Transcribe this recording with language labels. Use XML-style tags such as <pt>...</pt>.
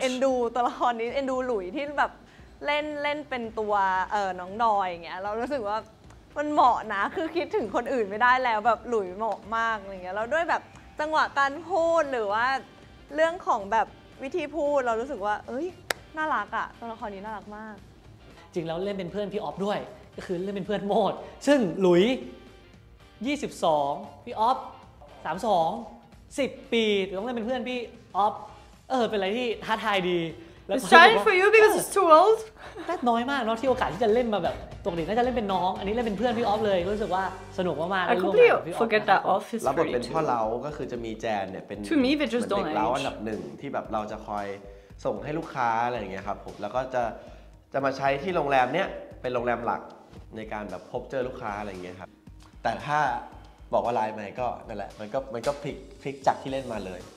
<th>เอ็นดูตัวละครนี้เอ็นดูหลุยส์ที่แบบเล่นเป็นตัวน้องดอยอย่างเงี้ยเรารู้สึกว่ามันเหมาะนะคือคิดถึงคนอื่นไม่ได้แล้วแบบหลุยเหมาะมากอย่างเงี้ยแล้วด้วยแบบจังหวะการพูดหรือว่าเรื่องของแบบวิธีพูดเรารู้สึกว่าเอ้ยน่ารักอ่ะตัวละครนี้น่ารักมาก จริงแล้วเล่นเป็นเพื่อนพี่ออฟด้วยก็คือเล่นเป็นเพื่อนโมดซึ่งหลุย22พี่ออฟ32 10ปีต้องเล่นเป็นเพื่อนพี่ออฟเป็นอะไรที่ท้าทายดี</th> <en>แล้ว It's time for you because it's too old</en> <th>แต่น้อยมากเนาะที่โอกาสที่จะเล่นมาแบบตรงนี้น่าจะเล่นเป็นน้องอันนี้เล่นเป็นเพื่อนพี่ออฟเลยรู้สึกว่าสนุกมากๆ เลย พี่ออฟแล้วบท เป็นพ่อเราก็คือจะมีแจนเนี่ยเป็น ทูมีเป็น เด็กเราอันดับหนึ่งที่แบบเราจะคอยส่งให้ลูกค้าอะไรอย่างเงี้ยครับผมแล้วก็จะมาใช้ที่โรงแรมเนี้ยเป็นโรงแรมหลักในการแบบพบเจอลูกค้าอะไรอย่างเงี้ยครับแต่ถ้าบอกว่าลายใหม่ก็นั่นแหละมันก็พลิกจากที่เล่นมาเลย</th>